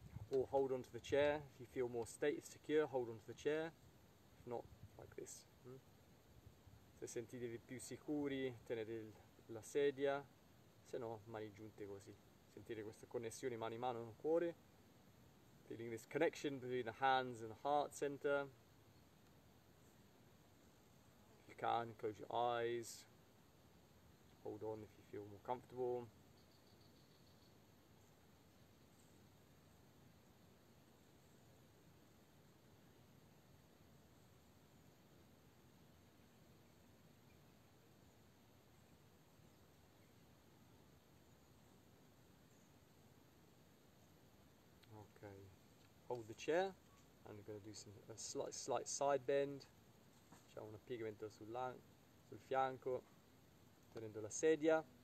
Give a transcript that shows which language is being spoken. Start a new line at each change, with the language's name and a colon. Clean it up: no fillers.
English: Or hold onto the chair, if you feel more secure, hold onto the chair, if not, like this.
Italian: Se sentitevi più sicuri, tenete la sedia, se no, mani giunte così. Sentire questa connessione mani-mano nel cuore.
English: Feeling this connection between the hands and the heart center. If you can, close your eyes. Hold on if you feel more comfortable. Hold the chair, and we're going to do a slight side bend.
Italian: Facciamo un piegamento sul fianco, tenendo la sedia.